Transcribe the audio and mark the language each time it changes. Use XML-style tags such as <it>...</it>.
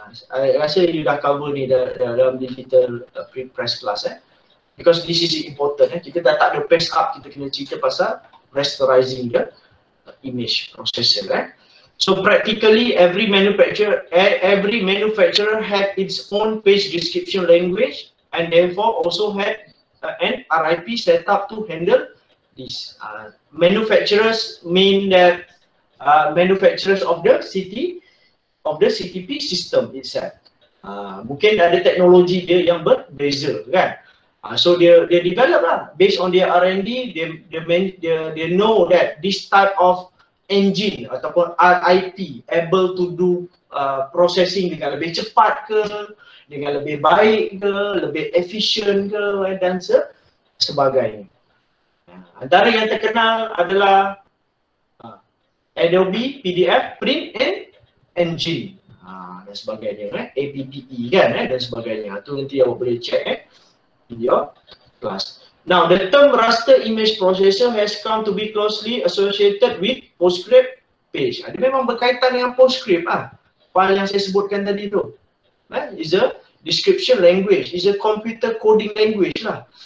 <en>I</en> <ms>rasa</ms> <en>you</en> <ms>dah cover ni dalam</ms> <en>digital prepress class because this is important</en> <ms>kita dah tak ada pass up, kita kena cerita pasal</ms> <en>rasterizing the image processor So practically every manufacturer had its own page description language and therefore also had an RIP set up to handle this. Manufacturers mean that manufacturers of the city of the CTP system itself.</en> <ms>Mungkin ada teknologi dia yang berbeza kan.</ms> <en>So dia develop lah based on their R&D, they know that this type of engine ataupun RIP able to do processing</en> <ms>dengan lebih cepat ke, dengan lebih baik ke, lebih efficient ke dan sebagainya. Antara yang terkenal adalah Adobe PDF Print and Engine dan sebagainya, APPE kan dan sebagainya. Itu nanti awak boleh check</ms> <en>in your class. Now, the term raster image processor has come to be closely associated with PostScript page.</en> <ms>Dia memang berkaitan dengan PostScript file yang saya sebutkan tadi tu.</ms> <en>It's a description language. It's a computer coding language lah.</en>